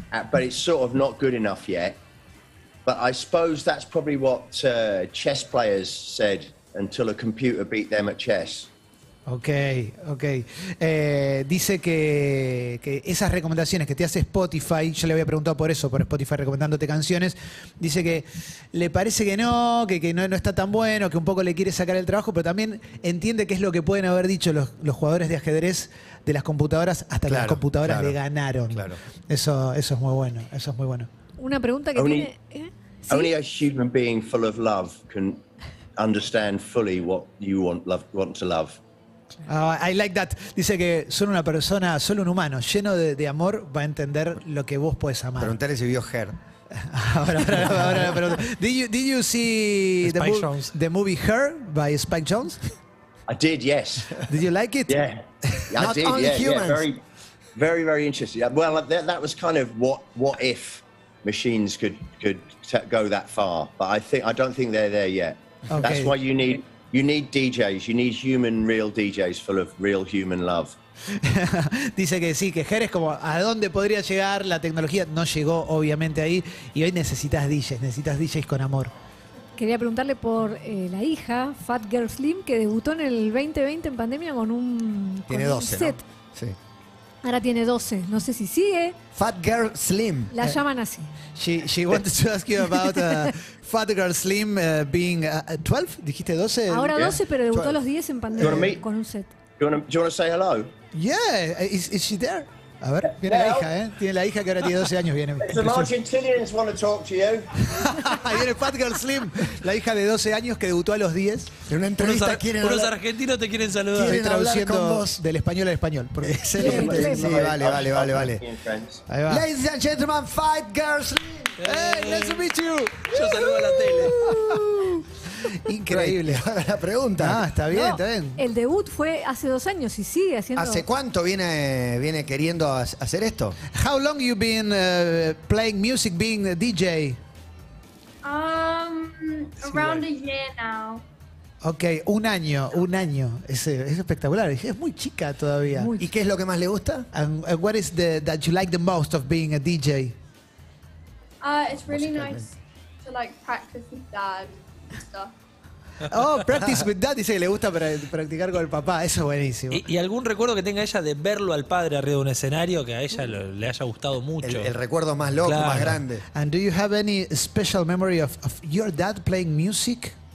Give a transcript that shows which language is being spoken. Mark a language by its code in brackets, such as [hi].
[en] but it's sort of not good enough yet. But I suppose that's probably what chess players said until a computer beat them at chess. Okay, okay. [es] Dice que esas recomendaciones que te hace Spotify, yo le había preguntado por eso, por Spotify recomendándote canciones, dice que le parece que no, no está tan bueno, que un poco le quiere sacar el trabajo, pero también entiende qué es lo que pueden haber dicho los jugadores de ajedrez de las computadoras hasta claro, que las computadoras claro, le ganaron. Claro. Eso es muy bueno, eso es muy bueno. Una pregunta que [en] only, [es] tiene... [en] ¿Sí? Only a human being full of love can understand fully what you want to love. I like that. [es] Dice que solo una persona, solo un humano, lleno de amor, va a entender lo que vos podés amar. Preguntale si vio Her. Ahora la pregunta. [en] Did you see the movie Her by Spike Jones? I did, yes. Did you like it? Yeah. Not I did, only yeah, humans. Yeah. Very, very, very interesting. Well, that was kind of what if machines could go that far. But I don't think they're there yet. Okay. That's why you need... You need DJs, you need human, real DJs full of real human love. [es] Dice que sí, que Jerez como, ¿a dónde podría llegar la tecnología? No llegó, obviamente, ahí. Y hoy necesitas DJs con amor. Quería preguntarle por la hija, Fat Girl Slim, que debutó en el 2020 en pandemia con un tiene con 12, set. ¿No? Sí. Ahora tiene 12, no sé si sigue. Fat Girl Slim. La llaman así. [en] She wanted to ask you about Fat Girl Slim being 12, [es] dijiste 12. Ahora 12, [en] yeah. [es] Pero debutó 12. A los 10 en pandemia con un set. [en] Do you want to say hello? Yeah, is she there? [es] A ver, viene la hija, ¿eh? Tiene la hija que ahora tiene 12 años. Viene. [en] The Argentinians want to talk to you. [es] Ahí viene Fat Girl Slim, la hija de 12 años que debutó a los 10. En una entrevista unos argentinos te quieren saludar. Estoy traduciendo del español al español. Excelente. Sí, vale. Ahí va. [en] Ladies and gentlemen, Fat Girl Slim. Hey, nice to meet you. [es] Yo saludo a la tele. Increíble, ahora la pregunta. Ah, está bien, no, está bien. El debut fue hace 2 años y sigue haciendo. ¿Hace cuánto viene queriendo hacer esto? [en] How long you been playing music, being a DJ? Around a year now. [es] Okay, un año. Es espectacular. Es muy chica todavía. Muy chica. ¿Y qué es lo que más le gusta? [en] And what is that you like the most of being a DJ? It's really nice to practice with dad. Stuff. Oh, practice with dad. [es] Dice que le gusta practicar con el papá. Eso es buenísimo. ¿Y algún recuerdo que tenga ella de verlo al padre arriba de un escenario que a ella le haya gustado mucho? El recuerdo más loco, claro, más grande. [en] And do you have any special memory of your dad playing music?